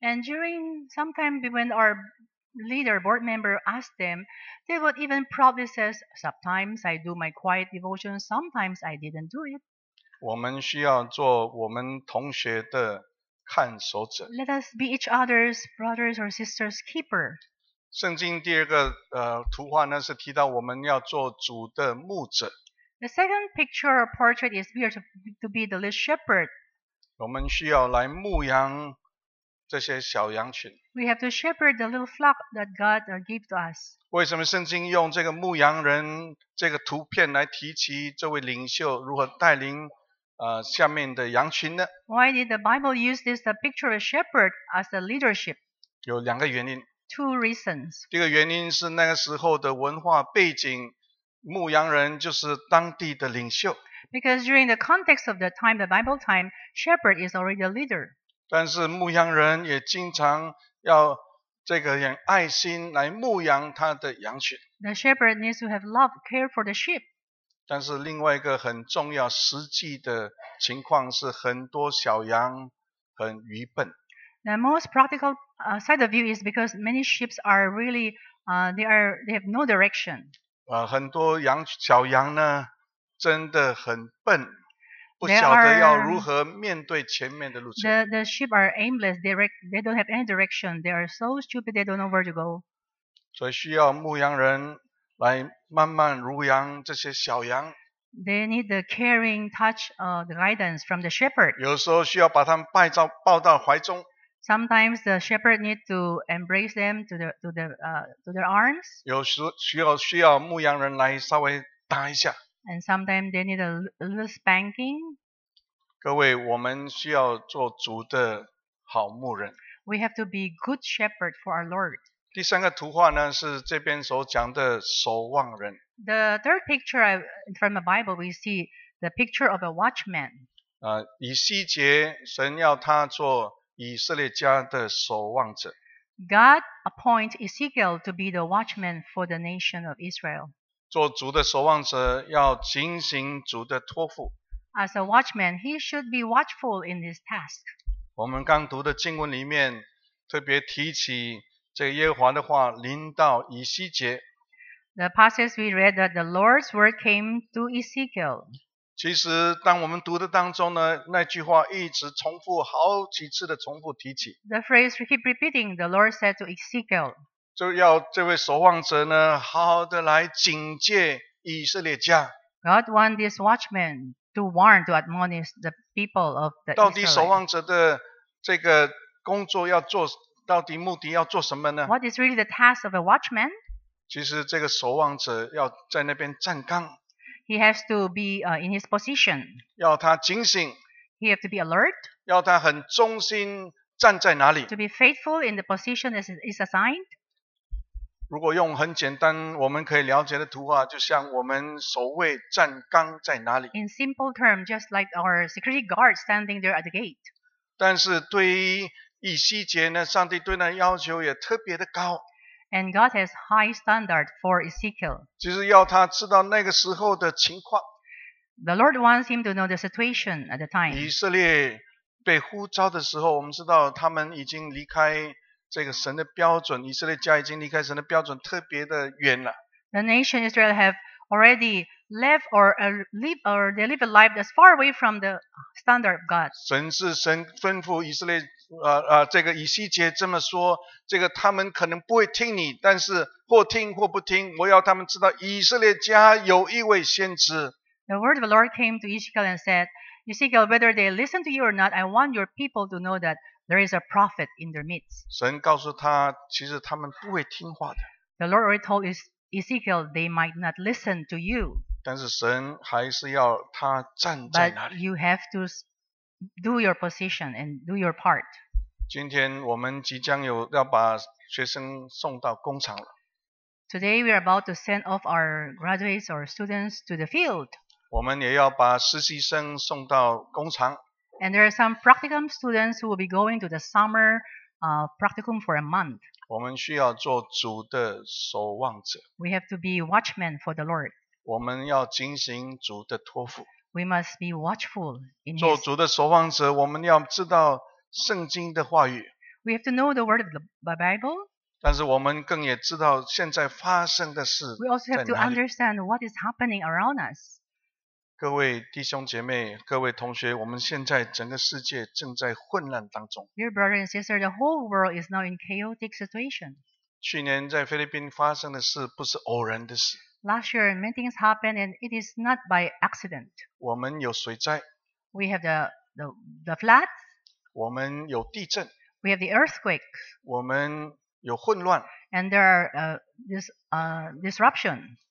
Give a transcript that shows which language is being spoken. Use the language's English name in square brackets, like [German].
[English] And during sometime when our leader, board member asked them, they would even proudly say, "Sometimes I do my quiet devotion, sometimes I didn't do it." [Chinese] 我们需要做我们同学的看守者。 [English] Let us be each other's brothers or sisters' keeper. [Chinese] 圣经第二个图画呢是提到我们要做主的牧者。 [English] The second picture or portrait is we are to be the little shepherd. [Chinese] 我们需要来牧养这些小羊群。 [English] We have to shepherd the little flock that God gave to us. [Chinese] 为什么圣经用这个牧羊人这个图片来提起这位领袖如何带领下面的羊群呢？ [English] Why did the Bible use this picture of a shepherd as a leadership? [Chinese] 有两个原因。 [English] Two reasons. [Chinese] 第一个原因是那个时候的文化背景，牧羊人就是当地的领袖。 [English] Because during the context of the time, the Bible time, shepherd is already a leader. [Chinese] 但是牧羊人也经常要这个用爱心来牧养他的羊群。 [English] The shepherd needs to have love, care for the sheep. [Chinese] 但是另外一个很重要实际的情况是很多小羊很愚笨。 [English] The most practical side of view is because many sheep are really, they have no direction. [Chinese] 很多小羊呢真的很笨，不晓得要如何面对前面的路程。 [English] The sheep are aimless, they don't have any direction. They are so stupid, they don't know where to go. [Chinese] 所以需要牧羊人来慢慢濡养这些小羊。 [English] They need the caring touch of the guidance from the shepherd. [Chinese] 有时候需要把他们抱到怀中。 [English] Sometimes the shepherd need to embrace them to their arms. [Chinese] 有时需要牧羊人来稍微打一下。 [English] And sometimes they need a little spanking. [Chinese] 各位，我们需要做主的好牧人。 [English] We have to be good shepherd for our Lord. [Chinese] 第三个图画呢是这边所讲的守望人。 [English] The third picture from the Bible, we see the picture of a watchman. [Chinese] 以西结神要他做以色列家的守望者。 [English] God appoints Ezekiel to be the watchman for the nation of Israel. [Chinese] 做主的守望者要警醒主的托付。 [English] As a watchman, he should be watchful in his task. [Chinese] 我们刚读的经文里面特别提起这个耶和华的话临到以西结。 [English] The passage we read that the Lord's word came to Ezekiel. [Chinese] 其实当我们读的当中呢，那句话一直重复好几次的重复提起。 [English] The phrase keep repeating, the Lord said to Ezekiel. [Chinese] 就要这位守望者呢，好好的来警戒以色列家。 [English] God wants this watchman to warn, to admonish the people of the Israel. [Chinese] 到底守望者的这个工作要做到底目的要做什么呢 [English] ？What is really the task of a watchman？ [Chinese] 其实这个守望者要在那边站岗。 [English] He has to be in his position. [Chinese] 要他警醒。 [English] He has to be alert. [Chinese] 要他很忠心站在哪里。 [English] To be faithful in the position that is assigned. [Chinese] 如果用很简单我们可以了解的图画，就像我们守卫站岗在哪里。 [English] In simple terms, just like our security guard standing there at the gate. [Chinese] 但是对于以西结呢，上帝对他的要求也特别的高。 [English] And God has high standard for Ezekiel. [Chinese] 就是要他知道那个时候的情况。 [English] The Lord wants him to know the situation at the time. [Chinese] 以色列被呼召的时候，我们知道他们已经离开这个神的标准，以色列家已经离开神的标准特别的远了。 [English] The nation Israel have already left or live or they live a life that's far away from the standard of God. [Chinese] 神是神吩咐以色列。这个以西结这么说，这个他们可能不会听你，但是或听或不听，我要他们知道以色列家有一位先知。 [English] The word of the Lord came to Ezekiel and said, Ezekiel, whether they listen to you or not, I want your people to know that there is a prophet in their midst. [Chinese] 神告诉他，其实他们不会听话的。 [English] The Lord already told Ezekiel they might not listen to you. [Chinese] 但是神还是要他站在哪里。 [English] But you have to do your position and do your part. [Chinese] 今天我们即将有要把学生送到工厂了。 [English] Today we are about to send off our graduates or students to the field. [Chinese] 我们也要把实习生送到工厂。 [English] And there are some practicum students who will be going to the summer practicum for a month. [Chinese] 我们需要做主的守望者。 [English] We have to be watchmen for the Lord. [Chinese] 我们要遵行主的托付。 [English] We must be watchful in his [Chinese] 做主的守望者，我们要知道圣经的话语。 [English] We have to know the word of the Bible. [Chinese] 但是我们更也知道现在发生的事在哪里。 [English] We also have to understand what is happening around us. [Chinese] 各位弟兄姐妹，各位同学，我们现在整个世界正在混乱当中。 [English] Dear brothers and sisters, the whole world is now in chaotic situation. [Chinese] 去年在菲律宾发生的事不是偶然的事。 [English] Last year, many things happened, and it is not by accident. [Chinese] 我们有水灾。 [English] We have the floods. [Chinese] 我们有地震。 [English] We have the earthquake. [Chinese] 我们有混乱。 [English] And there are disruption.